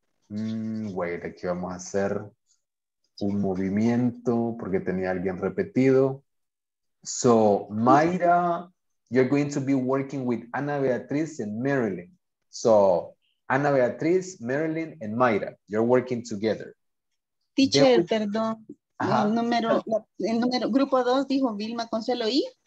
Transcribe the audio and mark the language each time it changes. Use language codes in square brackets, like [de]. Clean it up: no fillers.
[es] Wait, aquí vamos a hacer un movimiento porque tenía alguien repetido. [en] So, Mayra, you're going to be working with Ana Beatriz and Marilyn. So, Ana Beatriz, Marilyn, and Mayra, you're working together. [es] Teacher, perdón. El número, grupo dos, dijo Vilma Consuelo y...